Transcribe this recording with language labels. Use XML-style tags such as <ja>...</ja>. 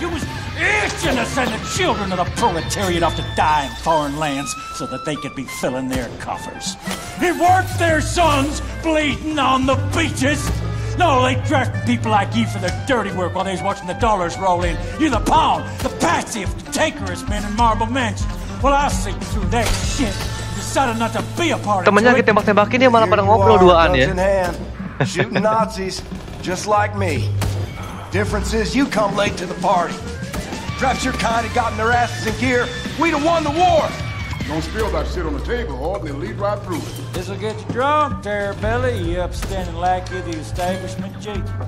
<en>It was itching to send the children of the proletariat off to die in foreign lands so that they could be filling their coffers. It weren't their sons bleeding on the beaches. No, they draft people like you for their dirty work while they was watching the dollars roll in. You're the pawn, the patsy of the tankerous men in marble mansions. Well, I see through that shit. Decided not to be a part of it.</en> <id>Temennya lagi tembak-tembakin dia malah pada ngobrol duaan ya.</id> <en>Shooting Nazis, just like me. Difference is you come late to the party. Perhaps your kind had gotten their asses in gear. We'd have won the war. Don't spill that shit on the table, or they'll lead right through it. This'll get you drunk, Terribelly. You upstanding lackey of the establishment, Jake.</en>